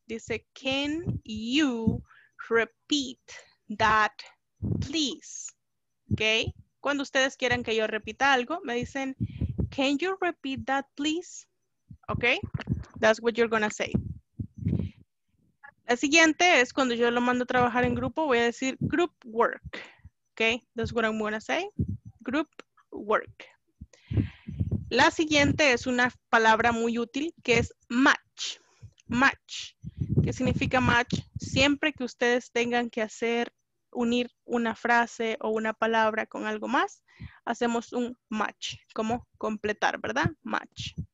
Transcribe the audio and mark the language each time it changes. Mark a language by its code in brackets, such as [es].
[es] Dice, [en] can you repeat that, please? ¿Ok? [es] Cuando ustedes quieran que yo repita algo, me dicen, [en] can you repeat that, please? Ok, that's what you're gonna say. [es] La siguiente es cuando yo lo mando a trabajar en grupo, voy a decir [en] group work. Ok, that's what I'm gonna say, group work. [es] La siguiente es una palabra muy útil que es match. Match, ¿qué significa match? Siempre que ustedes tengan que hacer unir una frase o una palabra con algo más, hacemos un match, como completar, ¿verdad? Match.